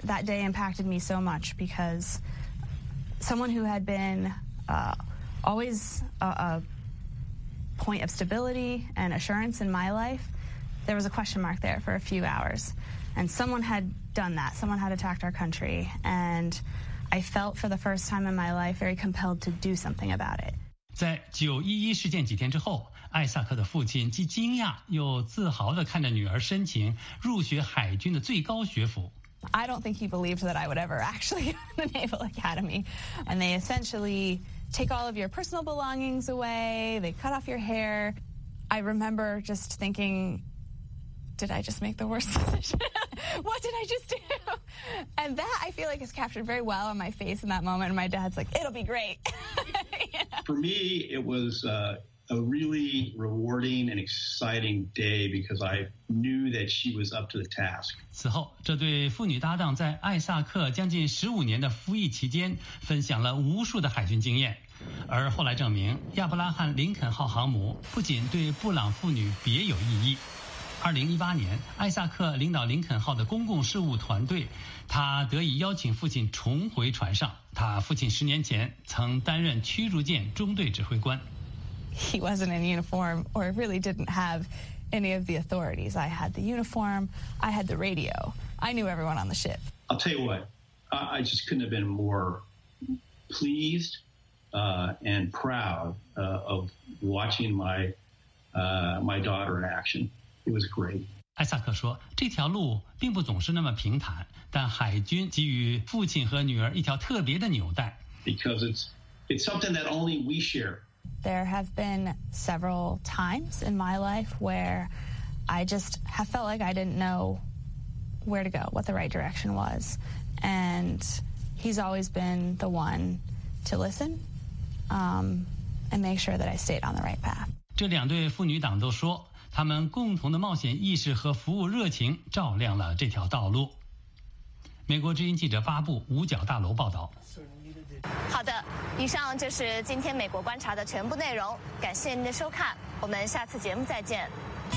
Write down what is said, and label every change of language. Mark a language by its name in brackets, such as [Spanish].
[English] That day impacted me so much because someone who had been always a point of stability and assurance in my life, there was a question mark there for a few hours. And someone had done that. Someone had attacked our country. And I felt for the first time in my life very compelled to do something about it. [Chinese] 在911事件几天之后，艾萨克的父亲既惊讶又自豪地看着女儿申请入学海军的最高学府。 [English] I don't think he believed that I would ever actually go to the Naval Academy. And they essentially... take all of your personal belongings away, they cut off your hair. I remember just thinking, did I just make the worst decision? What did I just do? And that I feel like is captured very well on my face in that moment. And my dad's like, it'll be great. Yeah. For me, it was a really rewarding and exciting day because I knew that she was up to the task. [Chinese] 此后，这对妇女搭档在艾萨克将近15年的服役期间，分享了无数的海军经验。而后来证明，亚伯拉罕·林肯号航母不仅对布朗妇女别有意义。 2018年，艾萨克领导林肯号的公共事务团队，他得以邀请父亲重回船上。他父亲10年前曾担任驱逐舰中队指挥官。 [English] He wasn't in uniform or really didn't have any of the authorities. I had the uniform. I had the radio. I knew everyone on the ship. I'll tell you what, I just couldn't have been more pleased and proud of watching my daughter in action. It was great. [Chinese] 艾萨克说，这条路并不总是那么平坦，但海军给予父亲和女儿一条特别的纽带。 [English] Because it's something that only we share. There have been several times in my life where I just have felt like I didn't know where to go, what the right direction was. And he's always been the one to listen, and make sure that I stayed on the right path. [Chinese] 这两对妇女党都说，他们共同的冒险意识和服务热情照亮了这条道路。美国之音记者发布五角大楼报道。好的，以上就是今天美国观察的全部内容，感谢您的收看，我们下次节目再见。